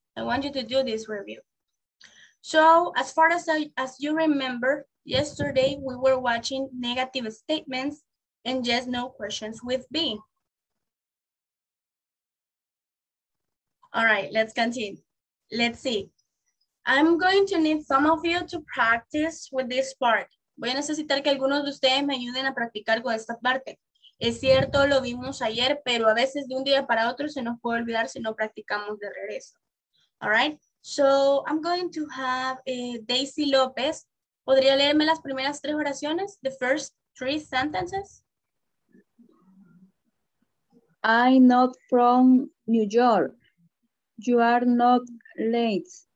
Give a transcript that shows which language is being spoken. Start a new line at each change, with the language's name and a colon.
English: I want you to do this review. So as far as you remember, yesterday we were watching negative statements and yes, no questions with B. All right, let's continue. Let's see. I'm going to need some of you to practice with this part.
Spanish: Voy a necesitar que algunos de ustedes me ayuden a practicar con esta parte. Es cierto, lo vimos ayer, pero a veces de un día para otro se nos puede olvidar si no practicamos de regreso.
English: All right, so I'm going to have Daisy López.
Spanish: ¿Podría leerme las primeras tres oraciones?
English: The first three sentences. I'm not from New York. You are not late.